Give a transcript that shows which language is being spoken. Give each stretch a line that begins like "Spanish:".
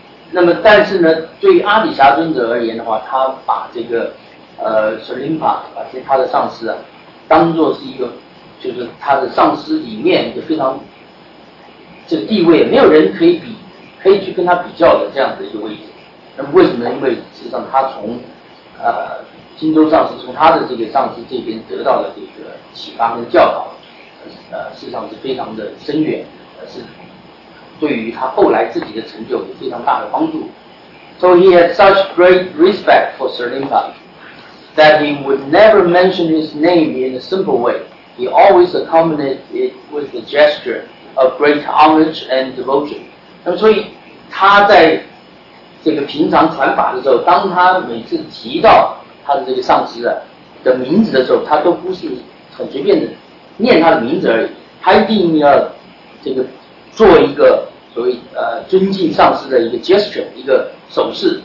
Chinese: 那么但是呢，对于阿底峡尊者而言的话，他把这个Sarimpa 把这他的上师当作是一个就是他的上师里面就非常这个地位没有人可以去跟他比较的这样的一个位置。那么为什么呢？因为实际上他从金州上师从他的这个上师这边得到的这个启发跟教导实际上是非常的深远，是对于他后来自己的成就有非常大的帮助。
English: So he had such great respect for Sarimpa that he would never mention his name in a simple way. He always accompanied it with the gesture of great homage and devotion.
Chinese: 那么所以他在这个平常传法的时候，当他每次提到他的这个上师的名字的时候，他都不是很随便的念他的名字而已，他一定要这个做一个所谓尊敬上师的一个 gesture， 一个手势。